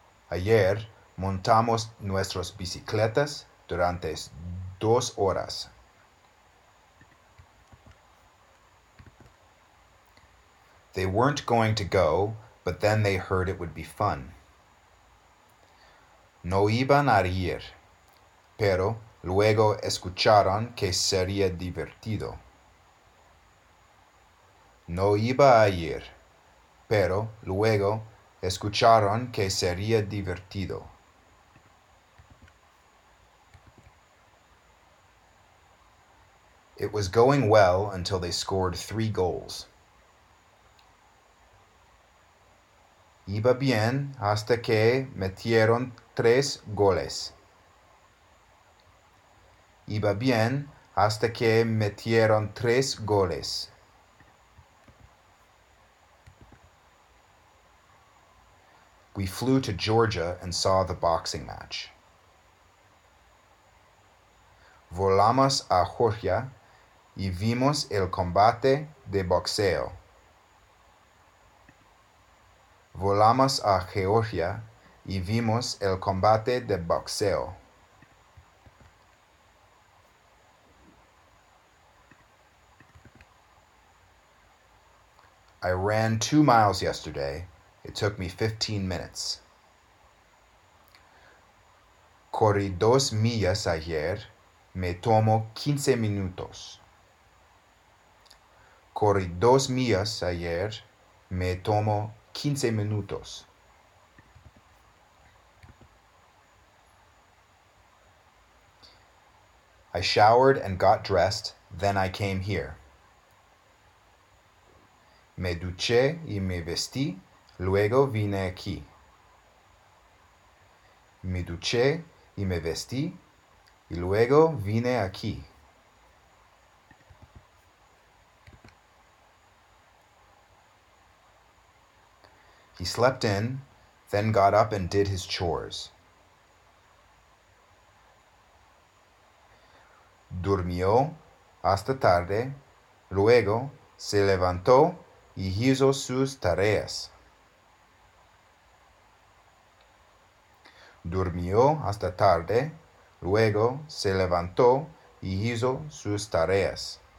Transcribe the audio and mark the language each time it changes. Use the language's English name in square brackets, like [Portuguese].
[Spanish] Ayer montamos nuestras bicicletas durante 2 horas. [English] They weren't going to go, but then they heard it would be fun. [Spanish] No iban a ir, pero luego escucharon que sería divertido. No iba a ir, pero luego escucharon que sería divertido. [English] It was going well until they scored 3 goals. [Spanish] Iba bien hasta que metieron 3 goles. Iba bien hasta que metieron 3 goles. [English] We flew to Georgia and saw the boxing match. [Spanish] Volamos a Georgia y vimos el combate de boxeo. Volamos a Georgia y vimos el combate de boxeo. [English] I ran 2 miles yesterday. It took me 15 minutes. [Spanish] Corrí 2 millas ayer. Me tomó 15 minutos. Corrí 2 millas ayer. Me tomó 15 minutos. [English] I showered and got dressed, then I came here. [Spanish] Me duché y me vestí, luego vine aquí. Me duché y me vestí, y luego vine aquí. [English] He slept in, then got up and did his chores. [Spanish] Durmió hasta tarde, luego se levantó y hizo sus tareas. Durmió hasta tarde, luego se levantó y hizo sus tareas.